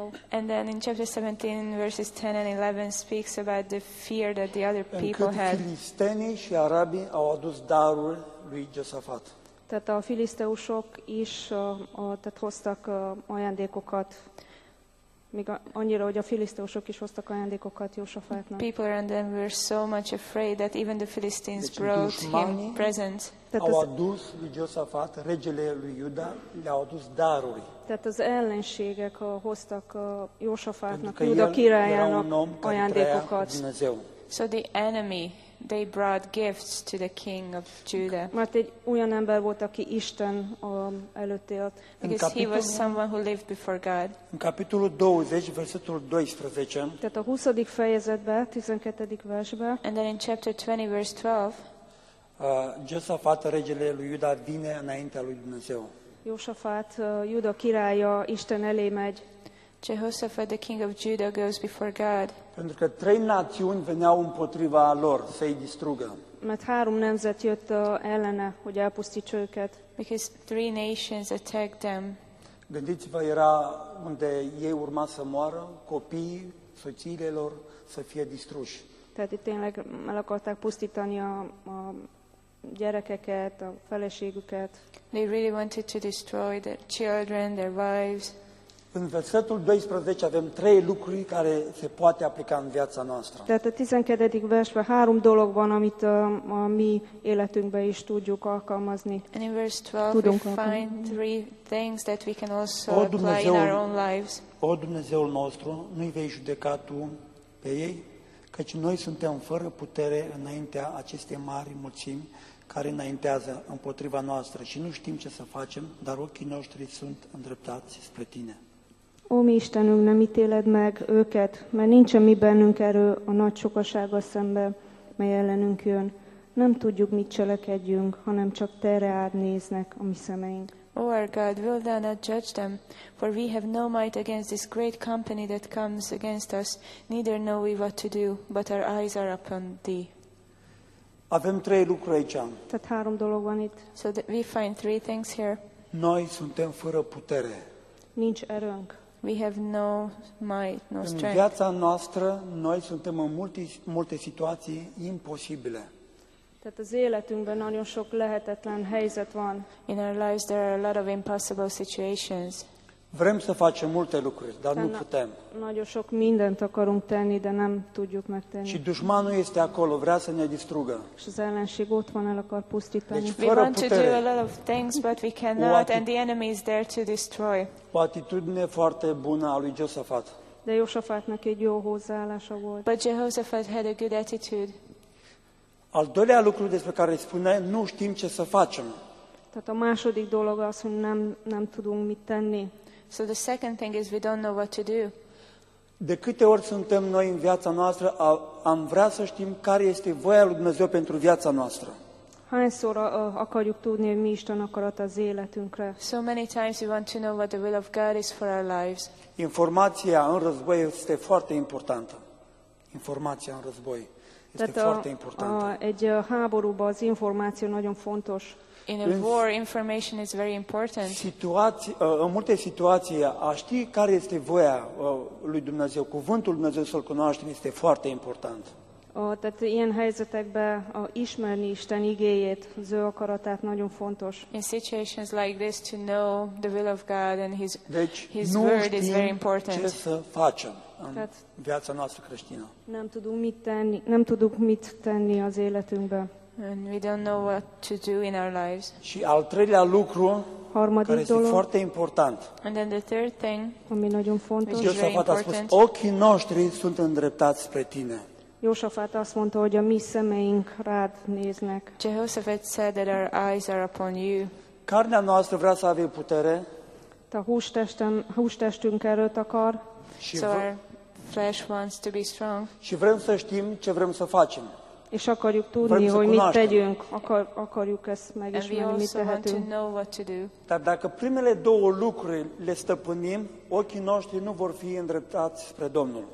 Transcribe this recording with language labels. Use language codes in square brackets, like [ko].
[en] And then in chapter 17, verses 10 and 11 speaks about the fear that the other people had. [ro] Filistenii și arabii au adus darul lui Josafat. [hu] tehát a filiszteusok is tehát hoztak ajándékokat, még annyira, hogy a filiszteusok is hoztak ajándékokat Jósafátnak. [en] People around them were so much afraid that even the Philistines brought him presents. [ro] Au adus lui Josafat, regele lui Iuda, le-au adus daruri. [hu] Tehát az ellenségek hoztak Jósafátnak, Iuda királyának ajándékokat. [en] So the enemy, they brought gifts to the king of Judah. [hu] Mert egy olyan ember volt, aki Isten előtt élt. [en] Because he was someone who lived before God. [ro] În capitolul 20, versetul 12. [hu] Tehát a 20. fejezetben, 12. versben. [en] And then in chapter 20, verse 12. [ro] Josafat, regele lui Iuda, vine înaintea lui Dumnezeu. [hu] Josafat, Iuda királya, Isten elé megy. [en] Jehoshaphat, the king of Judah, goes before God. [ro] Pentru că trei națiuni veneau împotriva lor să-i distrugă. [hu] Mert három nemzet jött ellene, hogy elpusztítsa őket. [en] Because three nations attacked them. [ro] Gândiți-vă, era unde ei urma să moară, copiii, soțiile lor, să fie distruși. [hu] Tehát tényleg el akarták pusztítani a gyerekeket, a feleségüket. [en] They really wanted to destroy their children, their wives. [ro] În versetul 12 avem trei lucruri care se poate aplica în viața noastră. [hu] Tehát a 12. versben három dolog van, amit a mi életünkben is tudjuk alkalmazni. [en] And in verse 12 [hu] tudunk [en] we [hu] alkalmazni. [en] Find three things that we can also apply [ro] Dumnezeul, [en] in our own lives. [ro] O Dumnezeul nostru, nu-i vei judeca tu pe ei, căci noi suntem fără putere înaintea acestei mari mulțimi care înaintează împotriva noastră și nu știm ce să facem, dar ochii noștri sunt îndreptați spre tine. [hu] Ó, mi Istenünk, nem ítéled meg őket, mert nincsen mi bennünk erő a nagy sokasága szemben, mely ellenünk jön. Nem tudjuk, mit cselekedjünk, hanem csak Te-re át néznek a mi szemeink. [en] O our God, wilt Thou not judge them? For we have no might against this great company that comes against us, neither know we what to do, but our eyes are upon Thee. [ro] Avem trei lucruri aici. [hu] Tehát három dolog van itt. [en] So that we find three things here. [ro] Noi suntem fără putere. [hu] Nincs erőnk. [en] We have no might, no strength. [ro] În viața noastră, noi suntem în multe situații imposibile. [hu] Tehát az életünkben nagyon sok lehetetlen helyzet van. [en] In our lives there are a lot of impossible situations. [ro] Vrem să facem multe lucruri, dar nu putem. [hu] Nagyon sok mindent akarunk tenni, de nem tudjuk megtenni. [ro] Și dușmanul este acolo, vrea să ne distrugă. Și [hu] az ellenség ott van, el akar pusztítani. [ro] Deci, fără putere. [en] We want to do a lot of things, but we cannot, and the enemy is there to destroy. [ro] O atitudine foarte bună a lui Josafat. [hu] De Josafatnak egy jó hozzáállása volt. [en] But Jehoshaphat had a good attitude. [ro] Al doilea lucru despre care spune, nu știm ce să facem. [hu] Tehát a második dolog az, hogy nem tudunk mit tenni. [en] So the second thing is we don't know what to do. [ro] De câte ori suntem noi în viața noastră, am vrea să știm care este voia lui Dumnezeu pentru viața noastră. [hu] Hányszor akarjuk tudni, hogy mi Isten akarat az életünkre. [en] So many times we want to know what the will of God is for our lives. [ro] Informația în război este foarte importantă. Informația în război este foarte importantă. [hu] Egy háborúban az információ nagyon fontos. [en] In a war, information is very important. [ro] În multe situații, a ști care este voia lui Dumnezeu, cuvântul lui Dumnezeu să-l cunoaștem, este foarte important. [hu] Tehát ilyen helyzetekben ismerni Isten igéjét, az ő akaratát nagyon fontos. [en] In situations like this, to know the will of God and His word is very important. [ro] Deci, nu știm ce să facem în viața noastră creștină. [hu] Nem tudunk mit tenni az életünkbe. [en] And we don't know what to do in our lives. [ro] Și al treilea lucru, care este foarte important. [en] And then the third thing, [hu] ami nagyon fontos, [en] which is very important. [ro] Josafat a spus, ochii noștri sunt îndreptați spre tine. [hu] Josafat azt mondta, hogy a mi szemeink rád néznek. [en] Jehoshaphat said that our eyes are upon you. [ro] Carnea noastră vrea să avem putere. [hu] Ta hústestünk erőt akar. [en] So our flesh wants to be strong. [ro] Și vrem să știm ce vrem să facem. [hu] És akarjuk tudni, hogy mit tegyünk, akarjuk ezt megismerni, mit tehetünk. [ro] Dar dacă primele două lucruri le stăpânim, ochii noștri nu vor fi îndreptați spre Domnul.